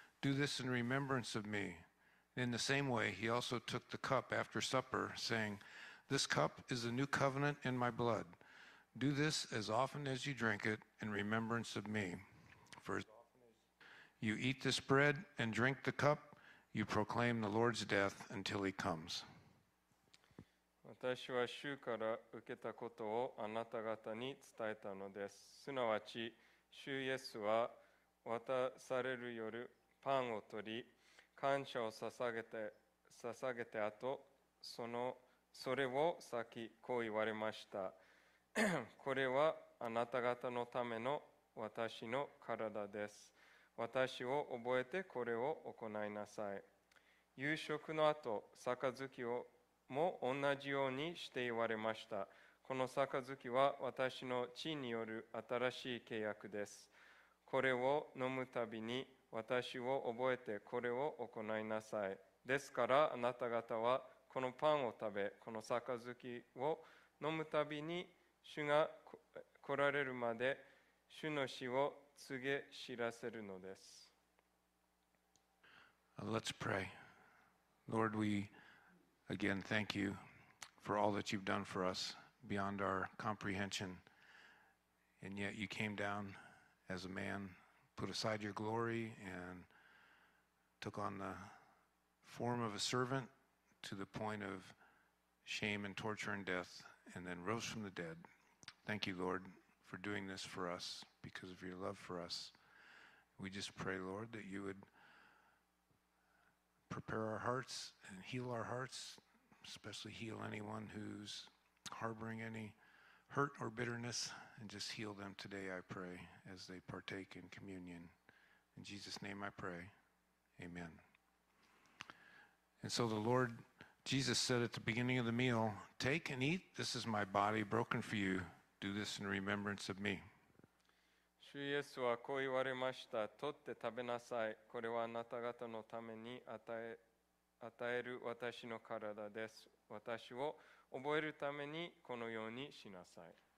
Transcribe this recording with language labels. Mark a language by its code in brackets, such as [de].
[en] Do this in remembrance of me.' In the same way, he also took the cup after supper, saying, 'This cup is the new covenant in my blood. Do this as often as you drink it in remembrance of me. For as you eat this bread and drink the cup, you proclaim the Lord's death until he comes.'" [ja] 私は主から受けたことをあなた方に伝えたのです。すなわち主イエスは渡される夜パンを取り、感謝を捧げて後それを先こう言われました。これはあなた方のための私の体です。私を覚えてこれを行いなさい。夕食の後杯をも同じようにして言われました。この杯は私の血による新しい契約です。これを飲むたびに私を覚えてこれを行いなさい。ですからあなた方はこのパンを食べ、この杯を飲むたびに主が来られるまで主の死を告げ知らせるのです。 [en] Let's pray. Lord, we again thank you for all that you've done for us beyond our comprehension, and yet you came down as a man, put aside your glory, and took on the form of a servant to the point of shame and torture and death, and then rose from the dead. Thank you, Lord, for doing this for us because of your love for us. We just pray, Lord, that you would prepare our hearts and heal our hearts, especially heal anyone who's harboring any hurt or bitterness, and just heal them today, I pray, as they partake in communion. In Jesus' name I pray, amen. And so the Lord Jesus said at the beginning of the meal, "Take and eat, this is my body broken for you. Do this in remembrance of me." [ja] 主イエスはこう言われました。取って食べなさい。これはあなた方のために与える私の体です。私を覚えるためにこのようにしなさい。